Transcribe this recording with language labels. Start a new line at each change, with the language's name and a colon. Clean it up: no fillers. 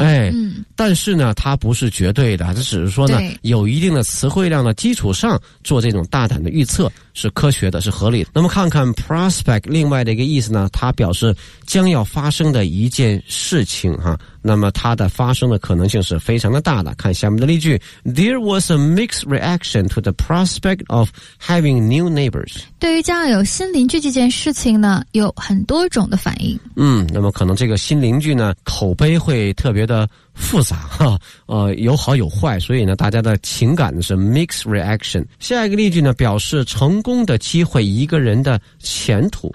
Chinese: 哎，嗯，但是呢，它不是绝对的，这只是说呢，有一定的词汇量的基础上做这种大胆的预测是科学的，是合理的。那么看看 prospect 另外的一个意思呢，它表示将要发生的一件事情哈。那么它的发生的可能性是非常的大的。看下面的例句
English: ：There was a mixed reaction to the prospect of having new neighbors。
Chinese: 对于将要有新邻居这件事情呢，有很多种的反应。嗯，那么可能这个新邻居呢，口碑会特别的复杂哈，有好有坏，所以呢，大家的情感是 mixed reaction。下一个例句呢，表示成功的机会，一个人的前途。